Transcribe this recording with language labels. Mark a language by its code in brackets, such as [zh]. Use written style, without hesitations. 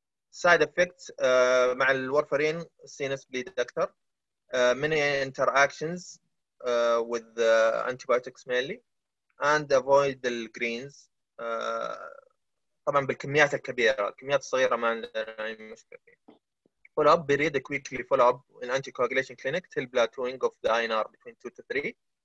[en] Side effects [ar] مع الورفرين [en] CNS bleed أكثر. Many interactions with the antibiotics mainly and avoid the greens. [ar] طبعا بالكميات الكبيرة الكميات الصغيرة ما عندنا مشكلة. [en] Follow up period quickly follow up in anticoagulation clinic till plateauing of the INR between 2 to 3.